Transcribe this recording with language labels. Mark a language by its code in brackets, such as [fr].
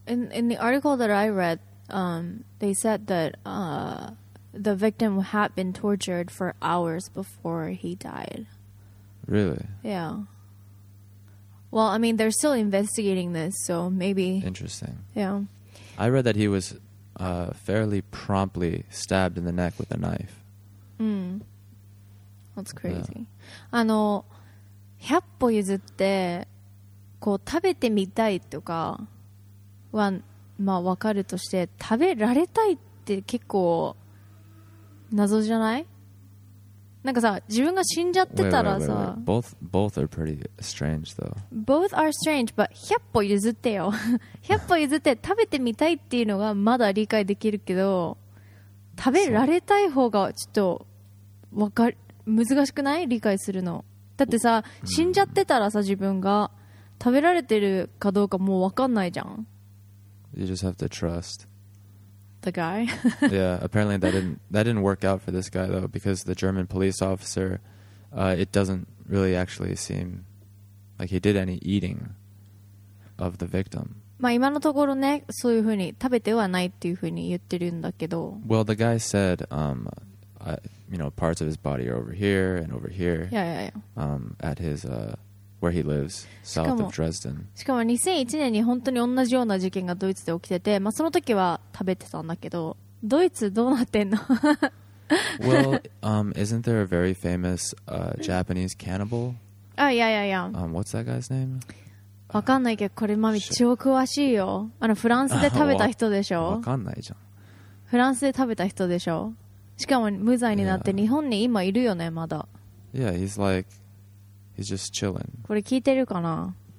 [en] In the article that I read,they said that the victim had been tortured for hours before he died. Really? Yeah. Well, I mean, they're still investigating this, so maybe... Interesting. Yeah. I read that he was fairly promptly stabbed in the neck with a knife. Mm. That's crazy. Yeah. [ja] 100歩譲ってこう食べてみたいとかは、まあ、わかるとして、食べられたいって結構謎じゃない？なんかさ、自分が死んじゃってたらさ、 [en] Both are pretty strange though. Both are strange, but [ja] 100歩譲ってよ100歩譲って食べてみたいっていうのがまだ理解できるけど、食べられたい方がちょっとわかる、難しくない？理解するの。だってさ、死んじゃってたらさ、自分が食べられてるかどうかもうわかんないじゃん。 [en] You just have to trust the guy. Yeah, apparently that didn't work out for this guy though, because the German police officer, it doesn't really actually seem like he did any eating of the victim. [ja] まあ今のところね、そういうふうに食べてはないっていうふうに言ってるんだけど。 [en] Well, the guy said, I, you know, parts of his body are over here and over here. Yeah, yeah, yeah. At his where he lives, south of Dresden. [ja] しかも2001年に本当に同じような事件がドイツで起きてて、まあ、その時は食べてたんだけど、ドイツどうなってんの？ [en] Well, isn't there a very famous Japanese cannibal? Oh, yeah, yeah, yeah. What's that guy's name? [ja] わかんないけど、これマミ超詳しいよ。あのフランスで食べた人でしょ？わかんないじゃん。フランスで食べた人でしょ？しかも無罪になって日本に今いるよね、まだ。 [en] Yeah, he's like... He's just chilling. [ja] これ聞いてるかな?